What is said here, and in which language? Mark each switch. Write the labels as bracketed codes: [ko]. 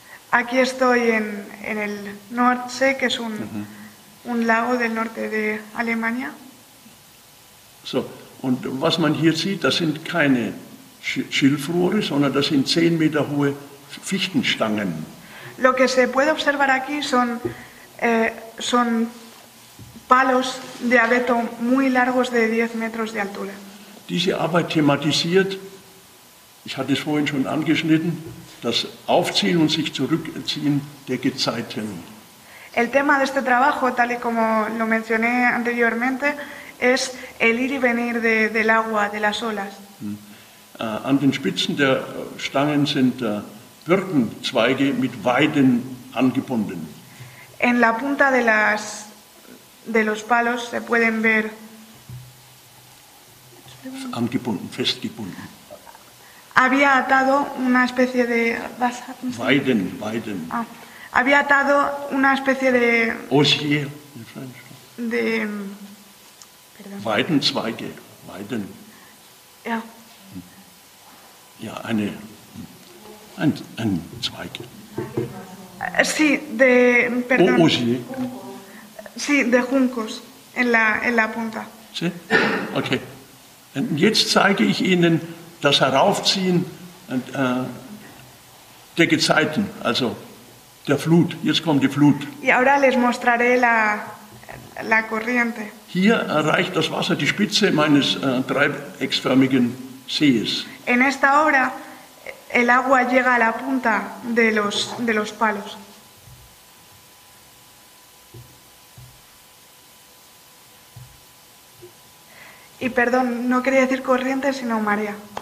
[es] Aquí estoy en el Nordsee, que es un lago del norte de Alemania. [de] So, und was man hier sieht, das sind keine Schilfrohre, sondern das sind 10 Meter hohe Fichtenstangen. [es] Lo que se puede observar aquí son palos de abeto muy largos de 10 metros de altura. [de] diese Arbeit thematisiert. Ich hatte es vorhin schon angeschnitten, das Aufziehen und sich Zurückziehen der Gezeiten. [es] El tema de este trabajo, tal y como lo mencioné anteriormente, es el ir y venir de, del agua, de las olas. [de] An den Spitzen der Stangen sind Birkenzweige mit Weiden angebunden. [es] En la punta de las de los palos se pueden ver [de] angebunden, festgebunden. [es] Había atado una especie de [de] Weiden, Weiden. Ah. [es] Había atado una especie de [en] Osier, [es] de [de] Weidenzweige, Weiden. Ja. Ja, eine ein Zweig. [es] Sí, de perdón. [en] Osier. [es] Sí, de juncos en la punta. Sí. Okay. [de] Und jetzt zeige ich Ihnen das Heraufziehen der Gezeiten, also der Flut. Jetzt kommt die Flut. [es] Y ahora les mostraré la corriente. [de] Hier erreicht das Wasser die Spitze meines dreiecksförmigen Sees. [es] En esta obra el agua llega a la punta de los palos. Y perdón, no quería decir corriente, sino marea.